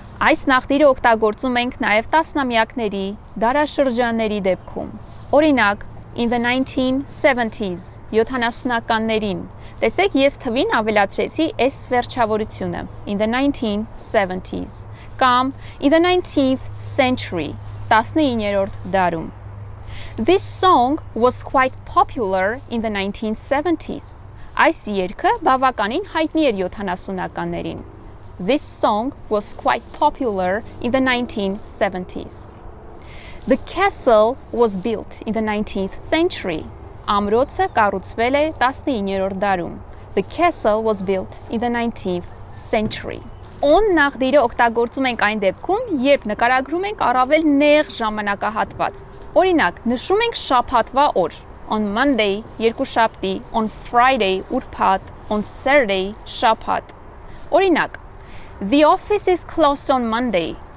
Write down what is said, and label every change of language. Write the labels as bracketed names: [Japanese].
[Armenian] Այս նախդիրը օգտագործում ենք նաև տասնամյակների, դարաշրջանների դեպքում։ Օրինակ, [English] in the 1970s, [Armenian] 70-ականներին, տեսեք, ես թվին ավելացրեցի այս վերջավորությունը, in the 1970s, կամ [English] in the 19th century, [Armenian] 19-րդ դարում։ [English] This song was quite popular in the 1970s. [Armenian] Այս երգը բավականին հայտնի էր 70-ականներին. [English] This song was quite popular in the 1970s. The castle was built in the 19th century. [Armenian] Ամրոցը կառուցվել է 19-րդ դարում. [English] The castle was built in the 19th century. [Armenian] On նախդիրը օգտագործում ենք այն դեպքում, երբ նկարագրում ենք առավել նեղ ժամանակահատված։ Օրինակ, նշում ենք շաբաթվա օր. [English] On Monday, [Armenian] երկու շաբթի, [English] on Friday, [Armenian] ուրբաթ, [English] on Saturday, [Armenian] շաբաթ։ Օրինակ, [English] the office is closed on Monday.